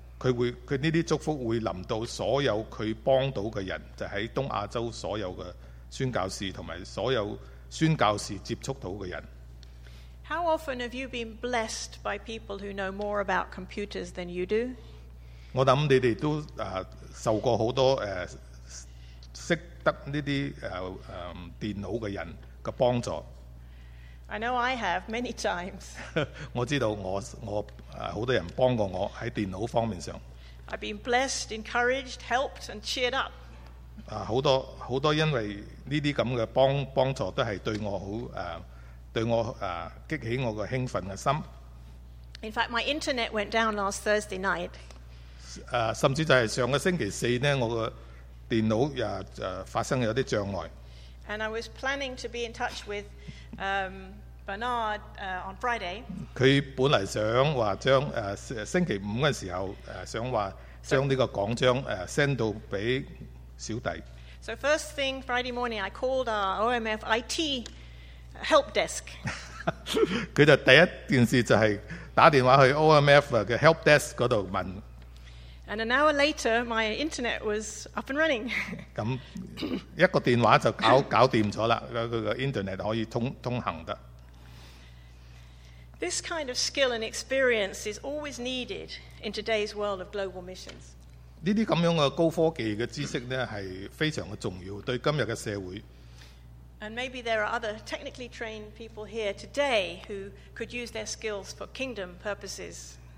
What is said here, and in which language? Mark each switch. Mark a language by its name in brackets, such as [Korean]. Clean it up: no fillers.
[Cantonese] 佢呢啲祝福會臨到所有佢幫到嘅人，就喺東亞洲所有嘅宣教士同埋所有宣教士接觸到嘅人。 [English] How often have you been blessed by people who know more about computers than you do? [Cantonese] 我諗你哋都受過好多識得呢啲電腦嘅人嘅幫助。 [English] I know I have many times. [Cantonese] 我知道我好多人幫過我喺電腦方面上。 [English] I've been blessed, encouraged, helped, and cheered up. [Cantonese] 好多好多因為呢啲咁嘅幫助都係對我好對我激起我個興奮嘅心。 [English] In fact, my internet went down last Thursday night. [Cantonese] 甚至就係上個星期四咧，我個電腦發生有啲障礙。 [English] And I was planning to be in touch with Bernard on Friday. [Cantonese] 佢本嚟想話將星期五嘅時候想話將呢個講章send到俾小弟。 [English] So first thing Friday morning, I called our OMF IT. Help desk. [Cantonese] 佢就第一件事就係打電話去 OMF 嘅 help desk 嗰度問。 [English] And an hour later, my internet was up and running. [Cantonese] 咁一個電話就搞掂咗啦，佢個 internet 可以通行得。 [English] This kind of skill and experience is always needed in today's world of global missions. [Cantonese] 呢啲咁樣嘅高科技嘅知識咧，係非常嘅重要，對今日嘅社會。 [English] And maybe there are other technically trained people here today who could use their skills for kingdom purposes.